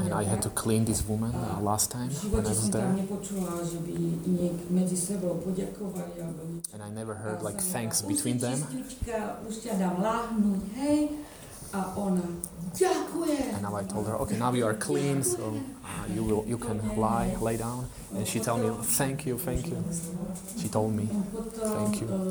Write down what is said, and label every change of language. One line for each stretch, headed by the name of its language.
English: And I had to clean this woman last time when I was there.
Slovak: Tam nepočula, že by niek medzi sebou poďakovali alebo niečo.
English: And I never heard like thanks between them.
Slovak: Čistička, už ťa dám láhnuť, hej. A ona, ďakujem.
English: And now I told her, okay, now you are clean, so you can lay down. And she told me, thank you. She told me, thank you.